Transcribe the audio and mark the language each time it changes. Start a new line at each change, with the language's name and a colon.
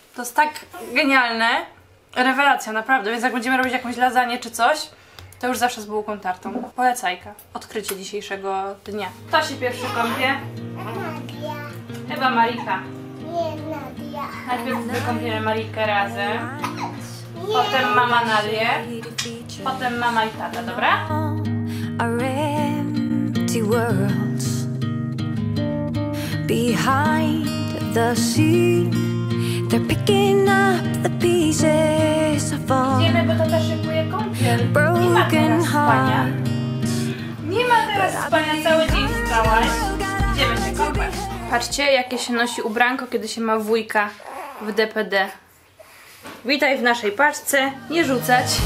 Polish: To jest tak genialne, rewelacja naprawdę, więc jak będziemy robić jakąś lasagne czy coś, to już zawsze z bułką tartą. Polecajka, odkrycie dzisiejszego dnia. Kto się pierwszy kąpie? Chyba Marika. Najpierw wykąpiemy Marikę razem, potem mama nalie, potem mama i tata, dobra?
English: Our empty worlds behind the scene, they're picking up the pieces of all.
Polish: Idziemy, bo tata szykuje kąpiel. Nie ma teraz spania. Nie ma teraz spania, cały dzień spałaś. Idziemy się kąpać. Patrzcie, jakie się nosi ubranko, kiedy się ma wujka w DPD. Witaj w naszej paczce, nie rzucać.